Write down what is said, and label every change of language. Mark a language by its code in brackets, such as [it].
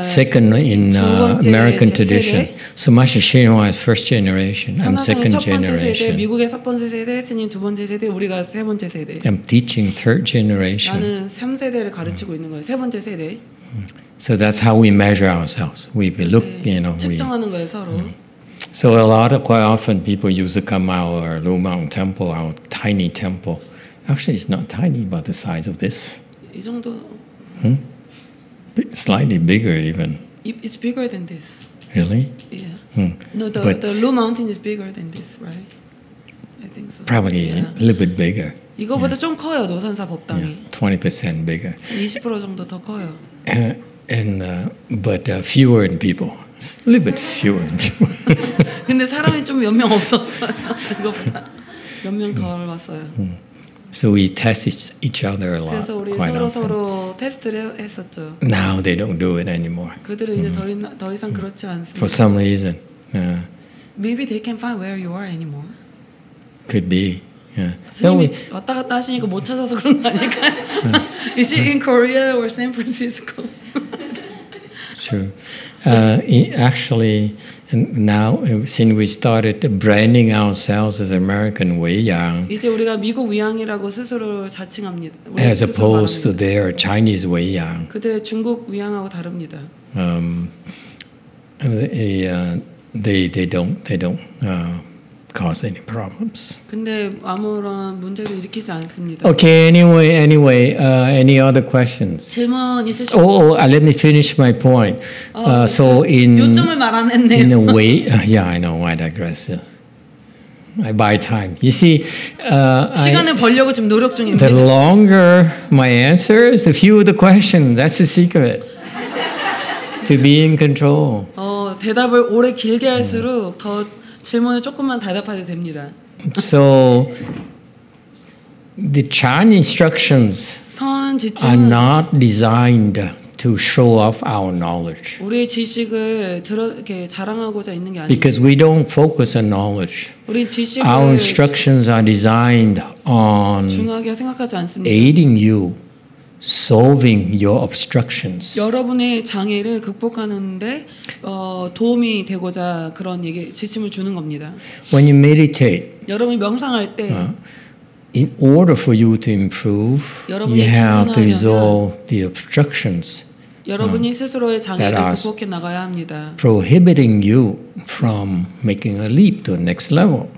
[en] second in American tradition. So Master Shenhua is first generation. I'm second generation. [ko] 미국의 첫 번째 세대, 스님 두 번째 세대, 우리가 세 번째 세대. [en] I'm teaching third generation. [ko] 나는 3세대를 가르치고 있는 거예요. 세 번째 세대. [en] So that's how we measure ourselves. We look, you know, [ko] 측정하는 거예요, 서로. [en] So a lot of quite often people use to come out our low mountain temple, our tiny temple. Actually, it's not tiny, but the size of this. [ko] 이 정도. [en] Slightly bigger even. It's bigger than this. Really? Yeah. No, the low mountain is bigger than this, right? I think so. Probably yeah. A little bit bigger. [ko] 이거보다 [en] yeah. [ko] 좀 커요 노산사 법당이. [en] Yeah. 20% bigger. [ko] 20% 정도 더 커요. [en] But fewer in people. A little bit fewer. [ko] 근데 사람이 좀 몇 명 없었어요. 이거보다 몇 명 덜 왔어요. [en] So we test each other a lot. [ko] 그래서 우리 서로 서로 테스트를 했었죠. [en] Now they don't do it anymore. [ko] 그들은 이제 더 이상 그렇지 않습니다. [en] For some reason. Maybe they can't find where you are anymore. Could be. [ko] 스님이 왔다 갔다 하시니까 못 찾아서 그런 거 아닐까? [en] Is it in Korea or San Francisco? True. Actually, now since we started branding ourselves as American Weiyang, [ko] 이제 우리가 미국 위양이라고 스스로 자칭합니다. [en] As opposed to their Chinese Weiyang, [ko] 그들의 중국 위양하고 다릅니다. [en] They don't cause any problems. [ko] 근데 아무런 문제를 일으키지 않습니다. [en] Okay, anyway, any other questions? [ko] 질문 있으신가요? [en] Let me finish my point. So in [ko] 요점을 말안 했네요. [en] In a way, yeah, I know. I digress. Yeah. I buy time. You see, [ko] 시간을 벌려고 지금 노력 중입니다. [en] The longer my answers, the fewer the questions. That's the secret to be in control. [ko] 대답을 오래 길게 할수록 더 질문을 조금만 대답해도 됩니다. [en] So the Chan instructions are not designed to show off our knowledge. [ko] 우리의 지식을 이렇게 자랑하고자 있는 게 아니에요. [en] Because we don't focus on knowledge. [ko] 우리 지식을 [en] our instructions are designed on [ko] 중요하게 생각하지 않습니다. [en] Aiding you. Solving your obstructions. [ko] 여러분의 장애를 극복하는데 도움이 되고자 그런 얘기 지침을 주는 겁니다. [en] When you meditate, [ko] 여러분이 명상할 때, [en] in order for you to improve, you have to resolve the obstructions. [ko] 여러분이 스스로의 장애를 극복해 나가야 합니다. [en] Prohibiting you from making a leap to the next level.